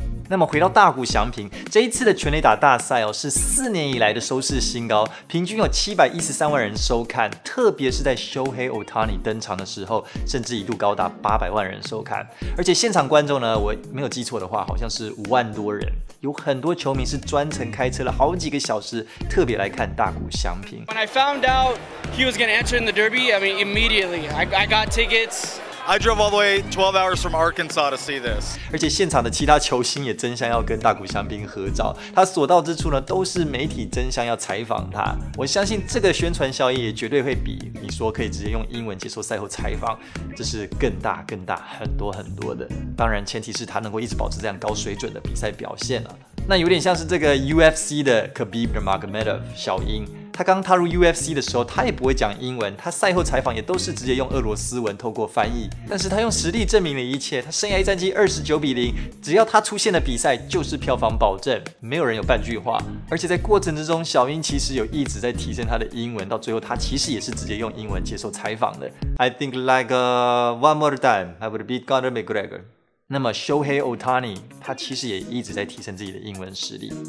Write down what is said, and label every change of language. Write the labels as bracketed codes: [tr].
[zh] 那么回到大谷翔平，这一次的全垒打大赛哦，是4年以来的收视新高，平均有713万人收看，特别是在 Shohei Ohtani 登场的时候，甚至一度高达800万人收看。而且现场观众呢，我没有记错的话，好像是5万多人，有很多球迷是专程开车了好几个小时，特别来看大谷翔平。 [en] When I found out he was going to enter in the Derby, I mean immediately, I got tickets. I drove all the way 12 hours from Arkansas to see this. [zh] 而且现场的其他球星也争相要跟大谷翔平合照，他所到之处呢都是媒体争相要采访他。我相信这个宣传效应也绝对会比你说可以直接用英文接受赛后采访，这是更大更大很多很多的。当然前提是他能够一直保持这样高水准的比赛表现了、啊。那有点像是这个 UFC 的 Khabib Nurmagomedov 小英。他刚踏入 UFC 的时候，他也不会讲英文，他赛后采访也都是直接用俄罗斯文透过翻译。但是他用实力证明了一切，他生涯战绩29-0，只要他出现的比赛就是票房保证，没有人有半句话。而且在过程之中，小英其实有一直在提升他的英文，到最后他其实也是直接用英文接受采访的。 [en] I think like one more time, I would beat Conor McGregor. [zh] 那么 Shohei Ohtani 他其实也一直在提升自己的英文实力。